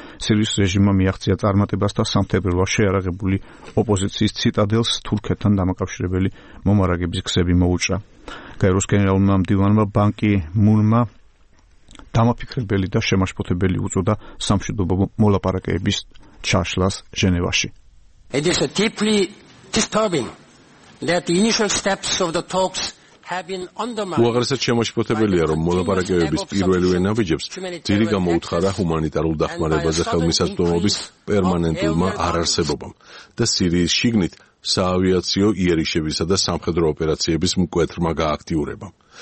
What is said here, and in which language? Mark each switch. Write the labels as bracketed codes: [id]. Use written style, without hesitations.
[ka] სირიის რეჟიმმა მიაღწია წარმატებას და სამთებრელვა შეარაღებული ოპოზიციის ციტადელს თურქეთთან დამაკავშირებელი მომარაგების გზები მოუჭრა. გაეროს გენერალურმა მდივანმა ბან კი მუნმა დამაფიქრებელი და შემაშფოთებელი უწოდა სამშვიდობო მოლაპარაკების ჩაშლას ჟენევაში. [en] It is deeply disturbing that the initial steps of the talks have been undermined. [ka] უაღრესად შემოშფოთებელია, რომ მოლაპარაკებების პირველივე ნაბიჯებს ძირი გამოუთხარა ჰუმანიტარულ დახმარებაზე ხელმისაწვდომობის პერმანენტულმა არარსებობამ და სირიის შიგნით საავიაციო იერიშებისა და სამხედრო ოპერაციების მკვეთრმა გააქტიურებამ.